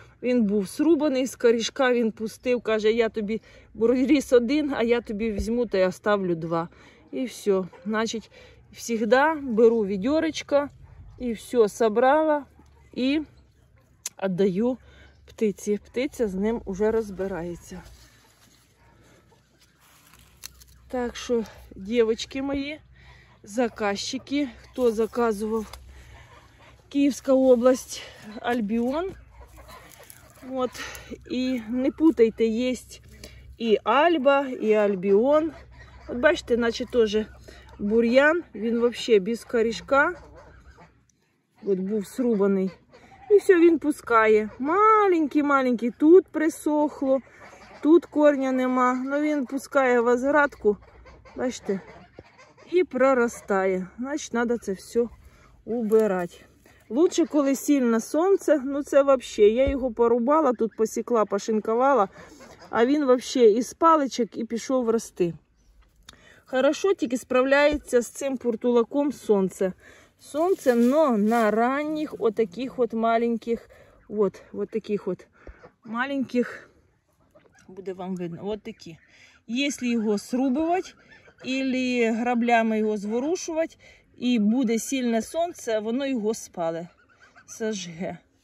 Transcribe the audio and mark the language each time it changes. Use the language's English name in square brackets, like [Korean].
[Ukrainian] Він був срубаний, з корішка він пустив, каже, я тобі ріс один, а я тобі візьму та й оставлю два. І все. Значить, завжди беру відьорочка, і все, собрала, і віддаю птиці. Птиця з ним вже розбирається. [Russian] Так что, девочки мои, заказчики, кто заказывал, Киевская область, Альбион. Вот, и не путайте, есть и Альба, и Альбион. Вот бачите, значит, тоже бурьян, він вообще без корешка. [Ukrainian] Вот був срубаний. І все, він пускає. Маленький-маленький, тут присохло, тут корня нема. Ну, він пускає возградку, бачите, і проростає. Значить, треба це все убирати. Лучше, коли сильне сонце, ну це взагалі, я його порубала, тут посікла, пошинкувала, а він взагалі із паличок і пішов рости. Хорошо тільки справляється з цим портулаком сонце. Сонце, но на ранніх отаких от маленьких, от, от таких от маленьких, буде вам видно, от такі. Якщо його срубувати, або граблями його зворушувати, і буде сильне сонце, воно його спале, сожге.